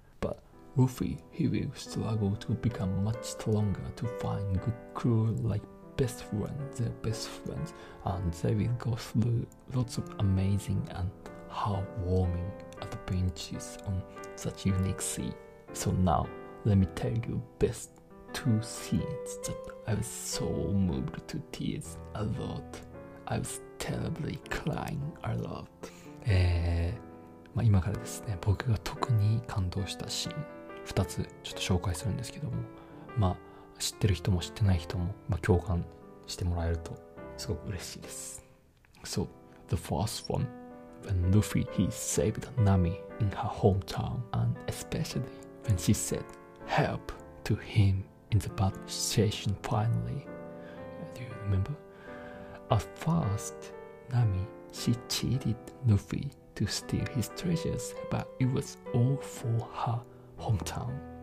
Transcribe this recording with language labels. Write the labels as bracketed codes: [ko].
[en] But Luffy, he will struggle to become much stronger to find good crew like their best friends, and they will go through lots of amazing and heartwarming adventures on such unique sea. So now, let me tell you best two scenes that I was so moved to tears a lot. I was terribly crying a lot. [ja] 今からですね、僕が特に感動したシーン、2つちょっと紹介するんですけども、まあ、知ってる人も知ってない人も、まあ、共感してもらえるとすごく嬉しいです。 [en] So, the first one, when Luffy, he saved Nami in her hometown, and especially,And she said help to him in the bad situation finally. Do you remember? At first, Nami, she cheated Luffy to steal his treasures, but it was all for her hometown.